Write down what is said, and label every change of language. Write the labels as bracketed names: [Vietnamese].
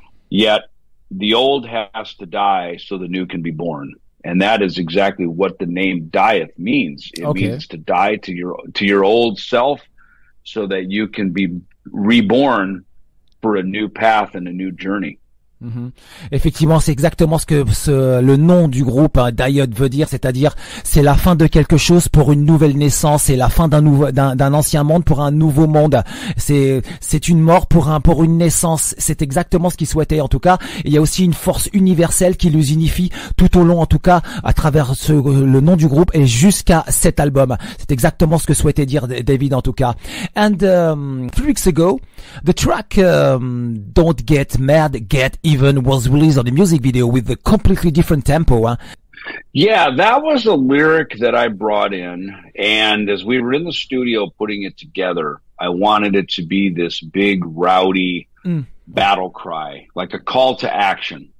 [English] Yet the old has to die so the new can be born. And that is exactly what the name Dieth means. It means to die to your old self so that you can be reborn for a new path and a new journey. [French] Effectivement, c'est exactement ce que le nom du groupe, hein, Dieth, veut dire, c'est-à-dire c'est la fin de quelque chose pour une nouvelle naissance, c'est la fin d'un ancien monde pour un nouveau monde. C'est une mort pour une naissance. C'est exactement ce qu'il souhaitait, en tout cas. Et il y a aussi une force universelle qui les unifie tout au long, en tout cas, à travers le nom du groupe et jusqu'à cet album. C'est exactement ce que souhaitait dire David, en tout cas. [English] And three weeks ago, the track "Don't Get Mad, Get" even was released on the music video with a completely different tempo. Huh? Yeah, that was a lyric that I brought in. And as we were in the studio putting it together, I wanted it to be this big, rowdy battle cry, like a call to action.